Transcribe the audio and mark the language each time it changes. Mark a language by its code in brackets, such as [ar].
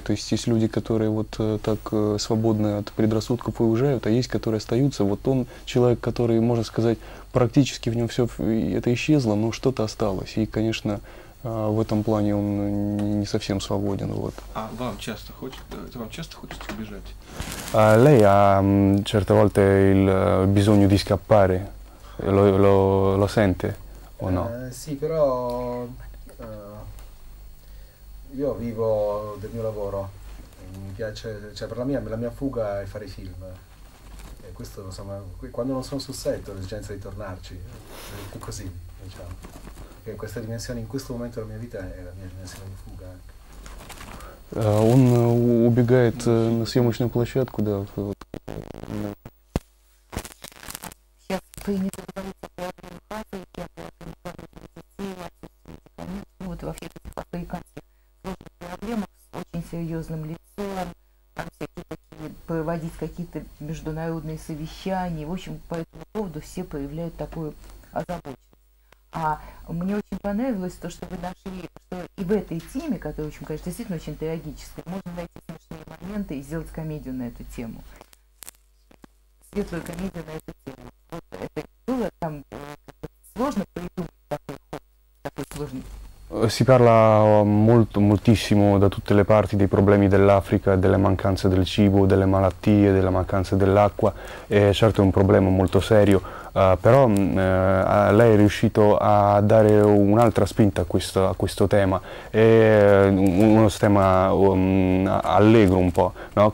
[ru] То есть есть люди, которые вот так свободно от предрассудков и уезжают, а есть, которые остаются. Вот он человек, который, можно сказать, практически в нем все это исчезло, но что-то осталось. И, конечно, в этом плане он не совсем свободен. Вот. А вам часто хочется, убежать? [it] Lei ha certe volte il bisogno di scappare. Lo sente? O no? Sì, però io vivo del mio lavoro, mi piace, cioè per la mia fuga è fare i film, e questo insomma, quando non sono sul set ho l'esigenza di tornarci, è così, diciamo, che questa dimensione in questo momento della mia vita è la mia dimensione di fuga. [ru] Он убегает на съемочную площадку, да. Сейчас вы не поговорите о этом хатике, о этом хатике, вот во всех этих африканских проблемах с очень серьезным лицом, там всякие проводить какие-то международные совещания, в общем, по этому поводу все проявляют такую озабоченность. А мне очень понравилось то, что вы нашли, что и в этой теме, которая, в общем, конечно, действительно очень трагическая, можно найти смешные моменты и сделать комедию на эту тему. Светлую комедию на эту тему. Вот это было там сложно придумать такой ход, такой сложный. [it] Si parla molto, moltissimo da tutte le parti dei problemi dell'Africa, delle mancanze del cibo, delle malattie, della mancanza dell'acqua, e certo è un problema molto serio, però lei è riuscito a dare un'altra spinta a questo tema, è uno tema allegro un po', no?